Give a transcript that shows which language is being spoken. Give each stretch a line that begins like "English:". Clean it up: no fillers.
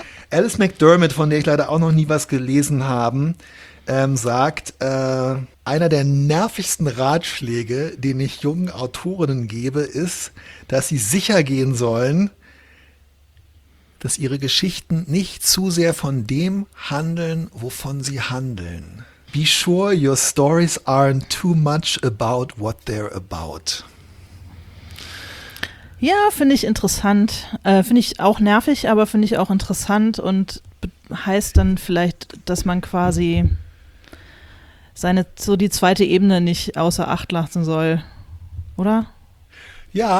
German: Alice McDermott, von der ich leider auch noch nie was gelesen habe, einer der nervigsten Ratschläge, den ich jungen Autorinnen gebe, ist, dass sie sicher gehen sollen, dass ihre Geschichten nicht zu sehr von dem handeln, wovon sie handeln.
English: Be sure your stories aren't too much about what they're about.
German: Ja, finde ich interessant. Finde ich auch nervig, aber finde ich auch interessant und heißt dann vielleicht, dass man quasi seine so die zweite Ebene nicht außer Acht lassen soll, oder? Ja.